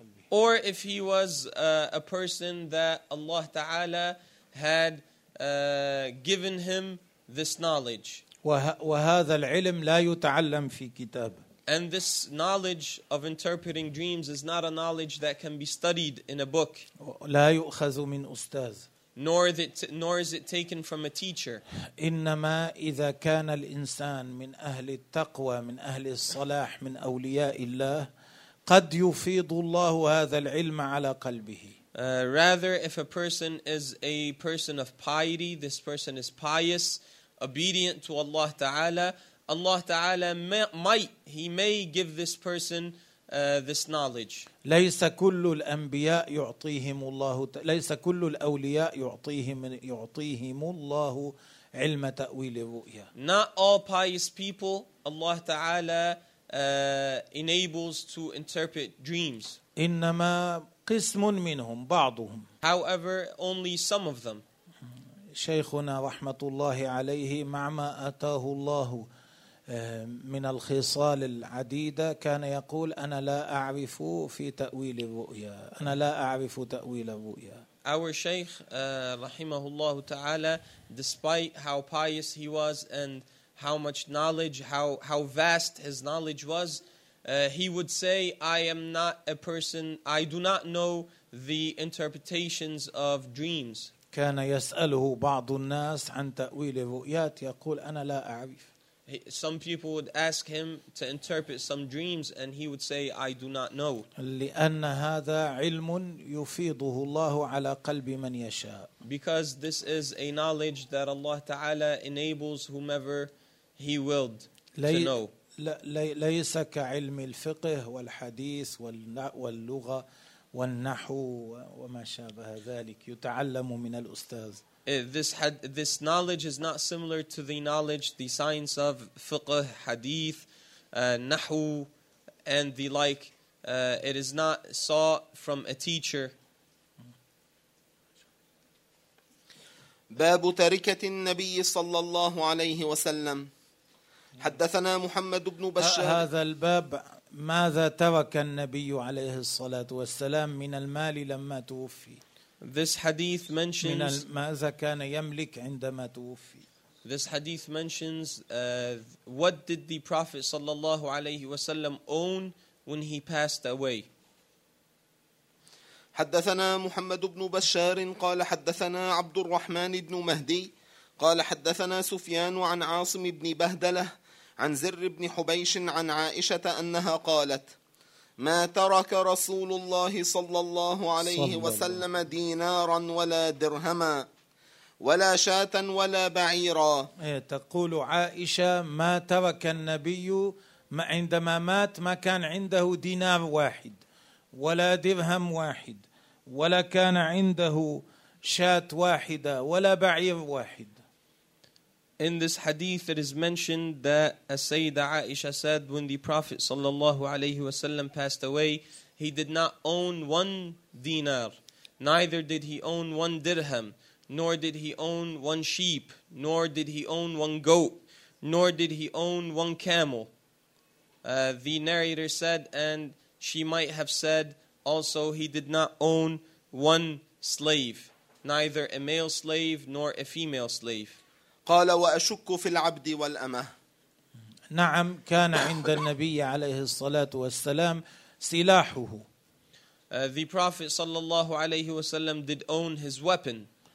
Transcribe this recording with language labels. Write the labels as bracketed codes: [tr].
[en] Or if he was a person that Allah Ta'ala had given him this knowledge. [ar] وهذا العلم لا يتعلم في كتاب. [en] And this knowledge of interpreting dreams is not a knowledge that can be studied in a book. [ar] لا يؤخذ من أستاذ. [en] Nor is it taken from a teacher. [ar] إنما إذا كان الإنسان من أهل التقوى من أهل الصلاح من أولياء الله قد يفيض الله هذا العلم على قلبه. [en] Rather, if a person is a person of piety, this person is pious, obedient to Allah Ta'ala, Allah Ta'ala may give this person this knowledge. [ar] ليس كل الأنبياء يعطيهم الله ليس كل الأولياء يعطيهم الله علم تأويل الرؤيا. [en] Not all pious people Allah Ta'ala enables to interpret dreams. [ar] إنما قسم منهم بعضهم. [en] However, only some of them. [ar] شيخنا رحمة الله عليه مع ما أتاه الله من الخصال العديدة كان يقول أنا لا أعرف في تأويل الرؤيا أنا لا أعرف تأويل الرؤيا. [en] Our Shaykh [ar] رحمه الله تعالى, [en] despite how pious he was and how much knowledge, how vast his knowledge was, he would say, I am not a person, I do not know the interpretations of dreams. [ar] كان يسأله بعض الناس عن تأويل الرؤيات يقول أنا لا أعرف. [en] Some people would ask him to interpret some dreams and he would say, I do not know. [ar] لأن هذا علم يفيضه الله على قلب من يشاء. [en] Because this is a knowledge that Allah Ta'ala enables whomever He willed to know. [ar] ليس كعلم الفقه والحديث واللغة والنحو وما شابه ذلك يتعلم من الأستاذ. [en] This knowledge is not similar to the knowledge, the science of fiqh, hadith, nahu, and the like. It is not sought from a teacher. [ar] باب تركة النبي صلى الله عليه وسلم. حدثنا محمد بن بشار. هذا الباب ماذا ترك النبي عليه الصلاة والسلام من المال لما توفي. [en] This hadith mentions [ar] ماذا كان يملك عندما توفي. [en] This hadith mentions what did the Prophet [ar] sallallahu alayhi wa sallam [en] own when he passed away. [ar] حدثنا محمد بن بشار قال حدثنا عبد الرحمن بن مهدي قال حدثنا سفيان عن عاصم بن بهدلة عن زر بن حبيش عن عائشة أنها قالت ما ترك رسول الله صلى الله عليه وسلم دينارا ولا درهما ولا شاة ولا بعيرا. تقول عائشة ما ترك النبي عندما مات ما كان عنده دينار واحد ولا درهم واحد ولا كان عنده شاة واحدة ولا بعير واحد. [en] In this hadith, it is mentioned that as Sayyida Aisha said, when the Prophet [ar] sallallahu alayhi wasallam [en] passed away, he did not own one dinar, neither did he own one dirham, nor did he own one sheep, nor did he own one goat, nor did he own one camel. The narrator said, and she might have said also, he did not own one slave, neither a male slave nor a female slave. [ar] قال وأشك في العبد والأمة. نعم كان عند النبي عليه الصلاة والسلام سلاحه. [en] The Prophet [ar] صلى الله عليه وسلم [en] did own his weapon.